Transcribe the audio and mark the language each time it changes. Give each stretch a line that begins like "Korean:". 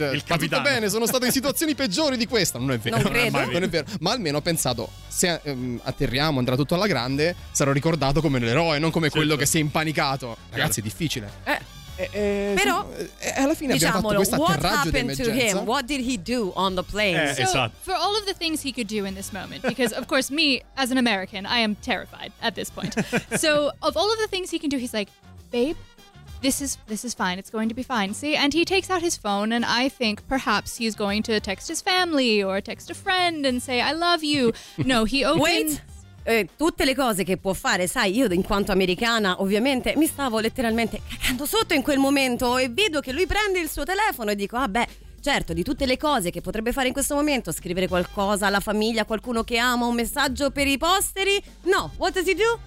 Italian: il capitano. Tutto bene, sono stato in situazioni peggiori di questa. Non è vero. Non è vero. Ma almeno ho pensato, se atterriamo, andrà tutto alla grande, sarò ricordato come l'eroe, non come quello che si è impanicato. Ragazzi, è difficile. Però, alla fine abbiamo fatto questo atterraggio d'emergenza.
English: What happened to him? What did he do on the plane?
Italian: Esatto.
English: For all of the things he could do in this moment, because of course me, as an American, I am terrified at this point. So, of all of the things he can do, he's like, babe, this is fine. It's going to be fine. See, and he takes out his phone, and I think perhaps he's going to text his family or text a friend and say, I love you. No, he opens... Wait.
Italian: Tutte le cose che può fare, sai, io in quanto americana ovviamente mi stavo letteralmente cacando sotto in quel momento e vedo che lui prende il suo telefono e dico, ah beh, certo, di tutte le cose che potrebbe fare in questo momento, scrivere qualcosa alla famiglia, qualcuno che ama, un messaggio per i posteri,
English: no, what does he do?